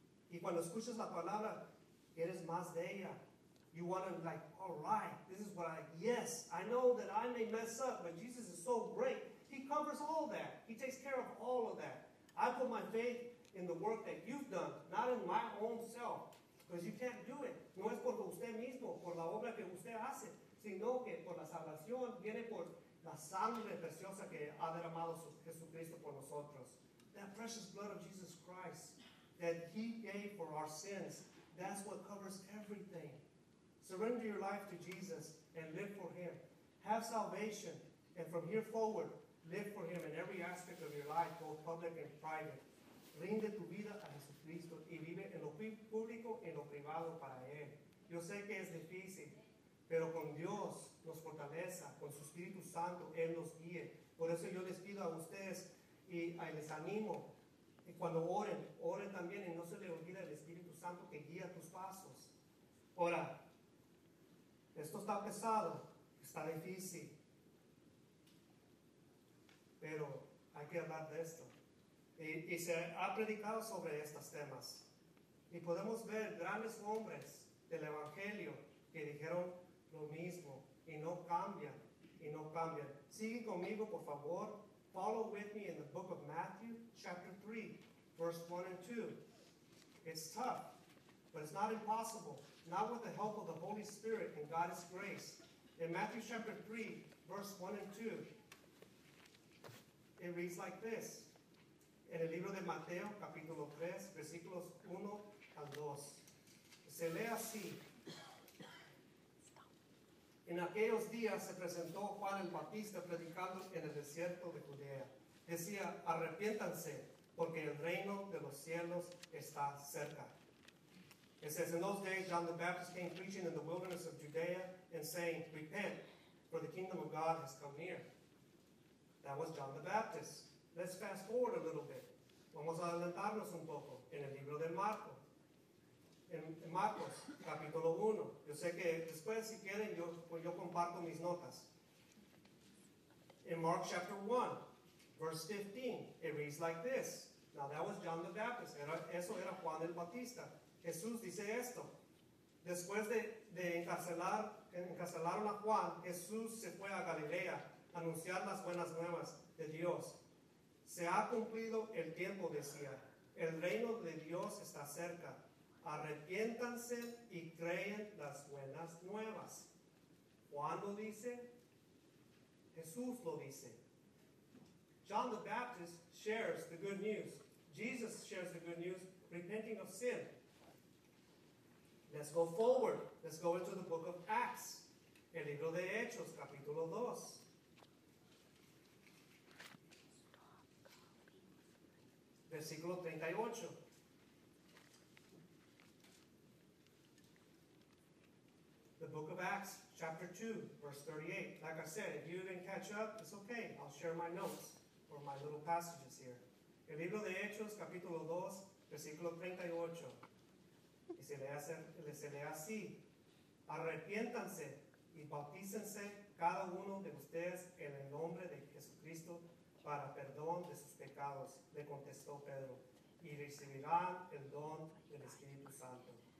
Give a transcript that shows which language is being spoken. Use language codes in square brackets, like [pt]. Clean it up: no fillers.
[es] Y cuando escuchas la palabra, eres más de ella. [en] You want to like, all right, this is what yes, I know that I may mess up, but Jesus is so great. He covers all that. He takes care of all of that. I put my faith in the work that you've done, not in my own self. Because you can't do it. [es] No es por usted mismo, por la obra que usted hace, sino que por la salvación viene por la sangre preciosa que ha derramado Jesucristo por nosotros. [en] That precious blood of Jesus Christ that he gave for our sins, that's what covers everything. Surrender your life to Jesus and live for him. Have salvation and from here forward, live for him in every aspect of your life, both public and private. [es] Rinde tu vida a Jesucristo y vive en lo público y en lo privado para Él. Yo sé que es difícil, pero con Dios nos fortaleza, con su Espíritu Santo, Él nos guíe. Por eso yo les pido a ustedes y les animo, y cuando oren, oren también y no se le olvide el Espíritu Santo que guía tus pasos. Ahora, esto está pesado, está difícil, pero hay que hablar de esto. Y se ha predicado sobre estos temas. Y podemos ver grandes hombres del Evangelio que dijeron lo mismo y no cambian, y no cambian. Sigue conmigo, por favor. [en] Follow with me in the book of Matthew, chapter 3, verse 1 and 2. It's tough, but it's not impossible. Not with the help of the Holy Spirit and God's grace. In Matthew, chapter 3, verse 1 and 2, it reads like this. [es] En el libro de Mateo, capítulo 3, versículos 1 al 2. Se lee así. En aquellos días se presentó Juan el Bautista predicando en el desierto de Judea. decía, arrepiéntanse, porque el reino de los cielos está cerca. [en] It says, in those days, John the Baptist came preaching in the wilderness of Judea and saying, repent, for the kingdom of God has come near. That was John the Baptist. Let's fast forward a little bit. [es] Vamos a adelantarnos un poco en el libro de Marcos. En Marcos, capítulo 1. Yo sé que después, si quieren, yo comparto mis notas. [en] In Mark chapter 1, verse 15, it reads like this. Now, that was John the Baptist. [es] Eso era Juan el Bautista. Jesús dice esto. Después de encarcelaron a Juan, Jesús se fue a Galilea a anunciar las buenas nuevas de Dios. Se ha cumplido el tiempo, decía. El reino de Dios está cerca. Arrepiéntanse y creen las buenas nuevas. Juan lo dice. Jesús lo dice. [en] John the Baptist shares the good news. Jesus shares the good news, repenting of sin. Let's go forward. Let's go into the book of Acts. [es] El libro de Hechos, capítulo 2. Versículo 38. [en] The book of Acts, chapter 2, verse 38. Like I said, if you didn't catch up, it's okay. I'll share my notes or my little passages here. [es] El libro de Hechos, capítulo 2, versículo 38. Y se lee así. Arrepiéntanse y bautícense cada uno de ustedes en el nombre de Jesucristo para perdón de sus pecados, le contestó Pedro, y recibirán el don del Espíritu Santo.